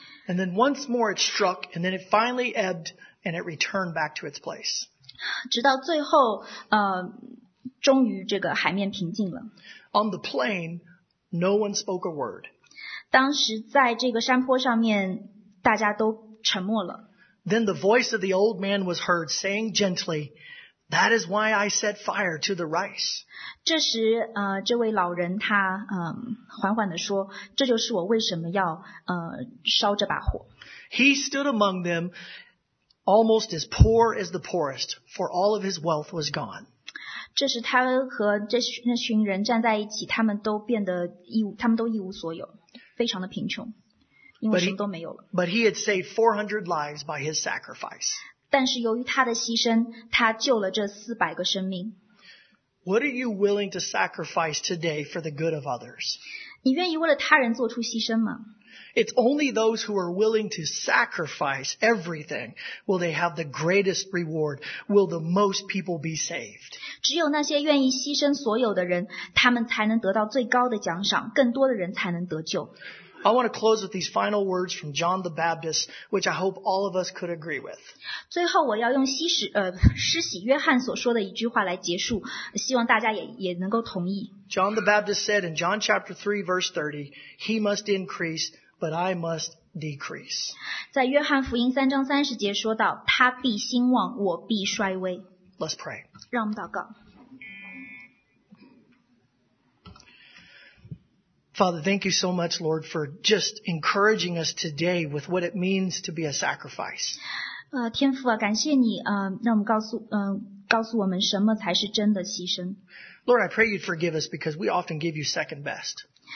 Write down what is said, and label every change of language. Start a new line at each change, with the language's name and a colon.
English: And then once more it struck, and then it finally ebbed, and it returned back to its place.
Chinese: 直到最后终于这个海面平静了。
English: On the plain, no one spoke a word.
Chinese: 当时在这个山坡上面大家都沉默了。
English: Then the voice of the old man was heard saying gently, that is why I set fire to the rice.
Chinese: 这时这位老人他缓缓地说这就是我为什么要烧这把火。
English: He stood among them almost as poor as the poorest, for all of his wealth was gone.
Chinese: 这时他和那群人站在一起他们都一无所有非常的贫穷因为什么都没有了。
English: But he had saved 400 lives by his sacrifice.
Chinese: 但是由于他的牺牲他救了这400个生命。
English: What are you willing to sacrifice today for the good of others?
Chinese: 你愿意为了他人做出牺牲吗？
English: It's only those who are willing to sacrifice everything will they have the greatest reward, will the most people be saved.
Chinese: 只有那些愿意牺牲所有的人他们才能得到最高的奖赏更多的人才能得救。
English: I want to close with these final words from John the Baptist, which I hope all of us could agree with.
Chinese: 最后我要用施洗约翰所说的一句话来结束希望大家 也能够同意。
English: John the Baptist said in John chapter 3 verse 30, he must increase,But I must decrease.
Chinese: 在约翰福音三章三十节说到，他必兴旺，我必衰微。
English: Let's pray.
Chinese: 让我们祷告。
English: Father, thank you so much, Lord, for just encouraging us today with what it means to be a sacrifice.
Chinese: 天父啊，感谢你，让我们告诉我们什么才是真的牺牲。
English: Lord, I pray you'd forgive us because we often give you second best.